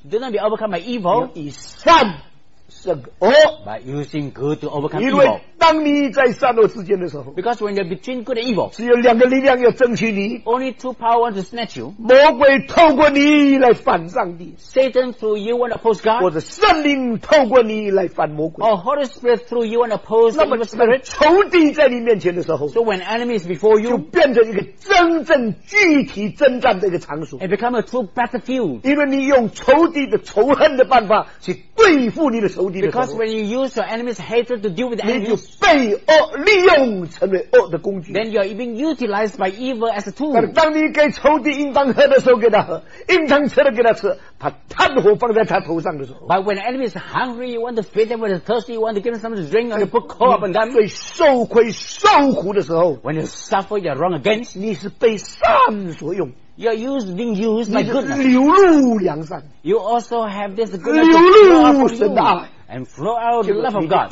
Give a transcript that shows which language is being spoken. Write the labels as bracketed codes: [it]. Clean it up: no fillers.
[en] do not be overcome by evil [zh] 以善胜恶 [en] by using good to overcome evil [zh] 因为当你在善恶之间的时候 [en] because when you're between good and evil [zh] 只有两个力量要争取你 [en] only two power want to snatch you [zh] 魔鬼透过你来反上帝 [en] Satan through you want to oppose God [zh] 或者圣灵透过你来反魔鬼 [en] or Holy Spirit through you want to oppose the evil spirit [zh] 仇敌在你面前的时候 [en] so when enemies before you [zh] 就变成一个真正具体征战的一个场所 [en] it become a true battlefield [zh] 因为你用仇敌的仇恨的办法去对付你的仇敌的时候 [en] because when you use your enemy's hatred to deal with the enemy [zh] 被恶利用成为恶的工具 [en] then you are being utilized by evil as a tool [zh] 但当你给仇敌应当喝的时候给他喝应当吃的给他吃把炭火放在他头上的时候 [en] but when the enemy is hungry you want to feed them when they're thirsty you want to give them something to drink and put coal upon them [zh] 被受亏受苦的时候 [en] when you suffer you're wrong against [zh] 你是被善所用 [en] You're used, being used by goodness. [zh] 流露良善 [en] You also have this goodness to flow out of you. And flow out of the love of God.